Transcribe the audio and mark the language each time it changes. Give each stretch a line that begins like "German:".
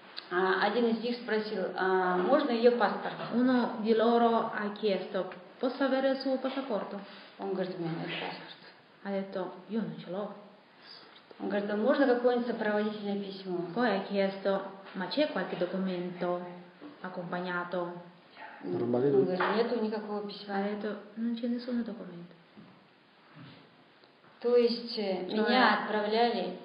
Russian: Один из них спросил, можно ее паспорт?
Italian: Uno di loro ha chiesto, posso avere il suo passaporto?
Russian: Он говорит, у меня нет паспорт.
Italian: Ha detto, io non ce l'ho.
Russian: Он говорит, можно какое-нибудь сопроводительное письмо?
Italian: Poi ha chiesto, ma c'è qualche documento accompagnato?
Russian: Он говорит, нету никакого письма.
Italian: Ha detto, non c'è nessun documento.
Russian: То есть, меня отправляли,